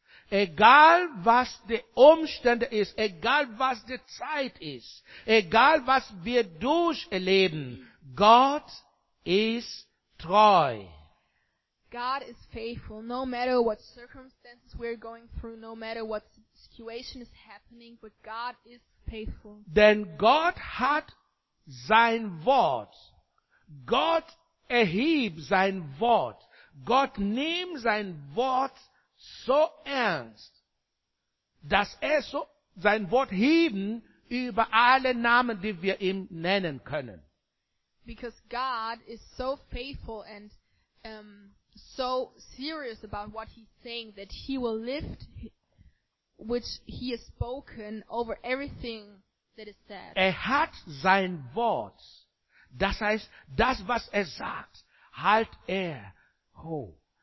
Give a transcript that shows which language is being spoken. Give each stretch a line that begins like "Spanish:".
German: Egal was die Umstände ist, egal was die Zeit ist, egal was wir durcherleben, Gott ist treu.
English: God is faithful, no matter what circumstances we're going through, no matter what situation is happening, but God is faithful.
German: Denn Gott hat sein Wort. Gott erhebt sein Wort. Gott nimmt sein Wort so ernst, dass sein Wort heben über alle Namen, die wir ihm nennen können.
English: Because God is so faithful and so serious about what he's saying that he will lift which he has spoken over everything that is said.
German: Er hat sein Wort, das heißt, das, was er sagt, hält er hoch.